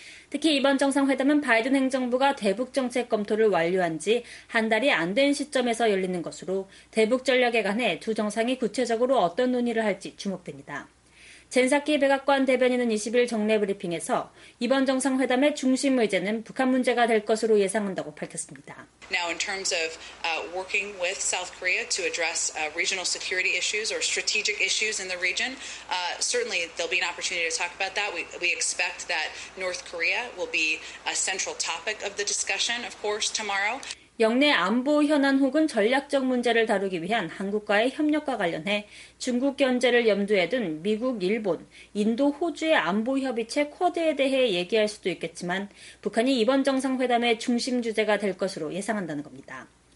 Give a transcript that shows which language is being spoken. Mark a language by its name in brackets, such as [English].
[Korean] 특히 이번 정상회담은 바이든 행정부가 대북정책 검토를 완료한 지 한 달이 안 된 시점에서 열리는 것으로 대북 전략에 관해 두 정상이 구체적으로 어떤 논의를 할지 주목됩니다. 젠사키 백악관 대변인은 20일 정례 브리핑에서 이번 정상회담의 중심 의제는 북한 문제가 될 것으로 예상한다고 밝혔습니다. [English] Now in terms of working with South Korea to address regional security issues or strategic issues in the region, certainly there'll be an opportunity to talk about that. We expect that North Korea will be a central topic of the discussion, of course, tomorrow. [Korean] 영내 안보 현안 혹은 전략적 문제를 다루기 위한 한국과의 협력과 관련해 중국 견제를 염두에 둔 미국, 일본, 인도, 호주의 안보 협의체 쿼드에 대해 얘기할 수도 있겠지만 북한이 이번 정상회담의 중심 주제가 될 것으로 예상한다는 겁니다.